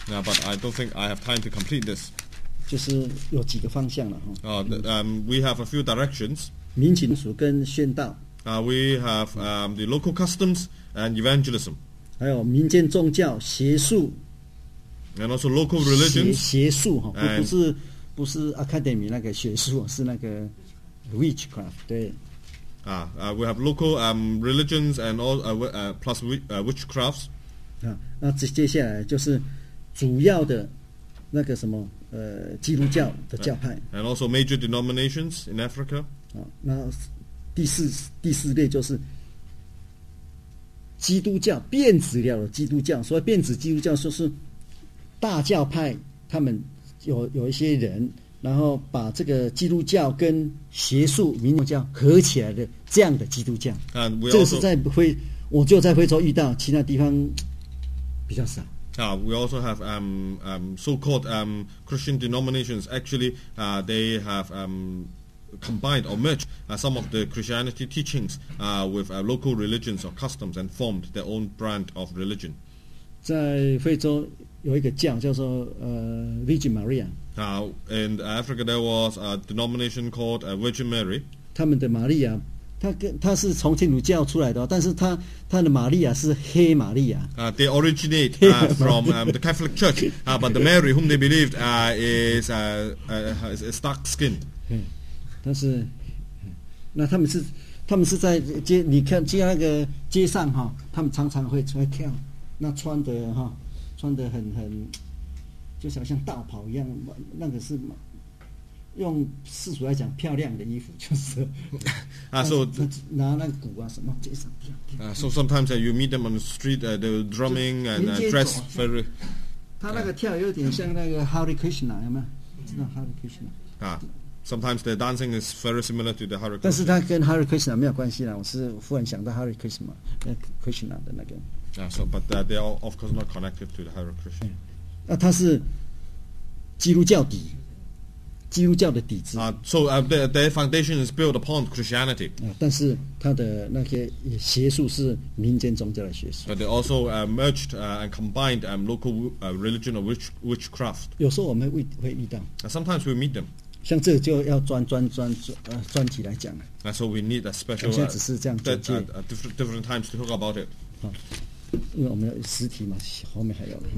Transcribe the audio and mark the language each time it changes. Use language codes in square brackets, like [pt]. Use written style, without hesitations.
[en] But I don't think I have time to complete this. [zh] 就是有几个方向了哈。 [en] We have a few directions. [zh] 民情俗跟宣道。 [en] We have the local customs and evangelism. [zh] 还有民间宗教邪术。 [en] And also local religions. [zh] 邪术哈，不是 academy 那个学术，是那个。 [en] Witchcraft, 对。 We have local religions and all plus witchcrafts. [zh] 那接下来就是主要的那个什么基督教的教派。 [en] And also major denominations in Africa. [zh] 那第四类就是基督教变质了的基督教，所以变质基督教就是大教派，他们有一些人。然后把这个基督教跟邪术民主教合起来的这样的基督教 [en] also, [zh] 这个是在非我就在非洲遇到其他地方比较少 [en] We also have so-called Christian denominations actually they have combined or merged some of the Christianity teachings with local religions or customs and formed their own brand of religion [zh] 在非洲有一个教叫做Virgin Maria [en] In Africa, there was a denomination called Virgin Mary. [zh] 他们的玛利亚，他是从天主教出来的，但是他的玛利亚是黑玛利亚。 [en] They originate from the Catholic Church, but the Mary whom they believed is dark skin. [zh] 但是，那他们是在街，你看街那个街上哈，他们常常会出来跳，那穿的哈，穿的很。就是好像道袍一样，那个是用世俗来讲漂亮的衣服，就是 [en] so [zh] 拿那个鼓啊什么，街上跳跳。 [en] So sometimes you meet them on the street, the drumming and dress very. [zh] 他那个跳有点像那个 Hare Krishna 有没有？知道 Hare Krishna [en] Sometimes their dancing is very similar to the Hare Krishna. [zh] 但是它跟 Hare Krishna 没有关系啦，我是忽然想到 Hare Krishna, Krishna 的那个。 [en] Yeah, so but they are of course not connected to the Hare Krishna. [zh] 那它是基督教底。 [en] So their foundation is built upon Christianity. [zh] 但是它的那些邪术是民间宗教的邪术。But [en] they also merged and combined local religion of witchcraft. [zh] 有时候我们会遇到。Sometimes [en] we meet them. [zh] 像这就要专题来讲了。So [en] we need a special. [zh] 现在只是这样简介。Different [en] times to talk about it. [zh] 因为我们有实体嘛，后面还有。